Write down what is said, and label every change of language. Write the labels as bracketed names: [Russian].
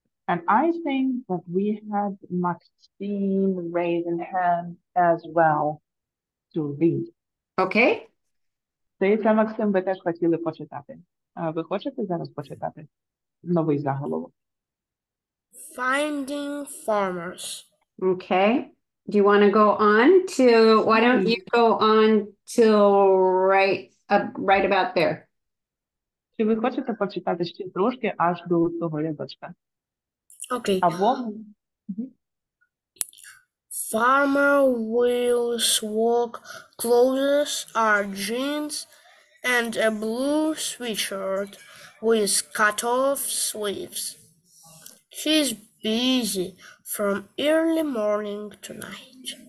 [English] And I think that we had Maxine raising hand as well to read. Okay. [Ukrainian] Тетя Максим, ви теж хотіли почитати. А ви хочете зараз почитати новий заголовок? [English] Finding farmers. Okay. Do you want to go on to, why don't you go on to right about there? [Ukrainian] Чи ви хочете почитати ще трошки аж до того рядочка? [English] Okay. [Ukrainian] Або... [English] Farmer wheels walk closes are jeans and a blue sweatshirt with cut-off sleeves. He's busy from early morning to night.